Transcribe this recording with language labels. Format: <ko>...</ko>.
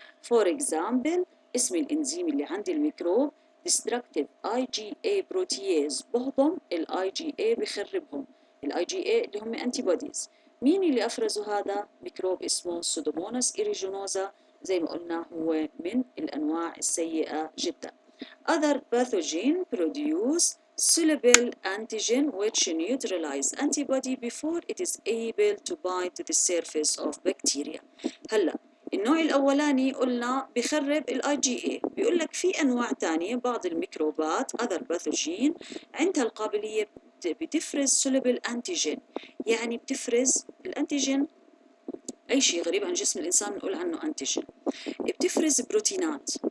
<en>For example</en> <ar>اسم الإنزيم اللي عندي الميكروب</ar> <en>destructive IgA protease،</en> <ar>بهضم ال IgA بخربهم، ال IgA اللي هم antibodies. مين اللي أفرزوا هذا؟ ميكروب اسمه Pseudomonas aeruginosa، زي ما قلنا هو من الأنواع السيئة جدا.</ar> <en>Other pathogen produce soluble antigen which neutralizes antibody before it is able to bind to the surface of bacteria.</en> <ar>هلا النوع الاولاني قلنا بخرب الاي جي اي، بيقول لك في انواع ثانيه بعض الميكروبات اذر باثوجين عندها القابليه بتفرز سولبل انتيجين، يعني بتفرز الانتيجين اي شيء غريب عن جسم الانسان بنقول عنه انتيجين، بتفرز بروتينات.</ar>